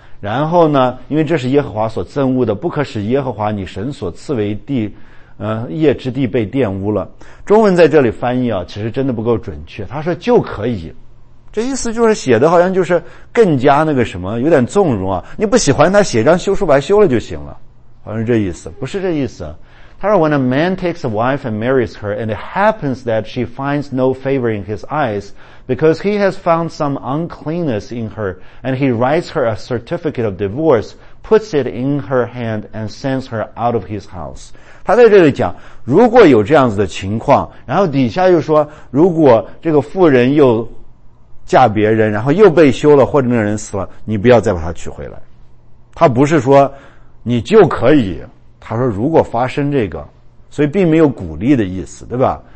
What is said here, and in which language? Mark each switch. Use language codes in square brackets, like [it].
[zh] 然后呢，因为这是耶和华所憎恶的，不可使耶和华你神所赐为地业之地被玷污了。中文在这里翻译啊，其实真的不够准确，他说就可以，这意思就是写的好像就是更加那个什么，有点纵容啊，你不喜欢他写张休书白休了就行了，好像是这意思。不是这意思，他说 [en] When a man takes a wife and marries her and it happens that she finds no favor in his eyes because he has found some uncleanness in her and he writes her a certificate of divorce, puts it in her hand and sends her out of his house. [zh] 他在这里讲，如果有这样子的情况，然后底下又说，如果这个妇人又嫁别人，然后又被休了，或者那人死了，你不要再把她娶回来。他不是说你就可以，他说如果发生这个，所以并没有鼓励的意思，对吧？